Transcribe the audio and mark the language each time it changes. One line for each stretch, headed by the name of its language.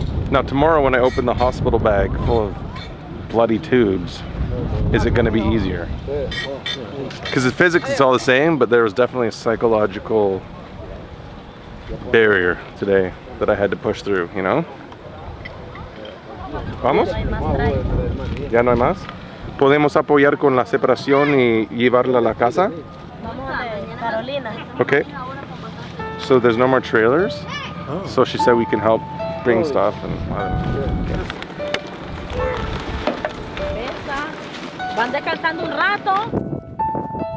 English: Now tomorrow when I open the hospital bag full of bloody tubes, is it going to be easier? Because the physics is all the same, but there was definitely a psychological barrier today that I had to push through, you know?
Spanish: Vamos? Ya no hay más? Podemos apoyar con la separación y llevarla a la casa?
English: Okay. So there's no more trailers. So she said we can help bring stuff and I don't know.
Spanish: Van descansando un rato.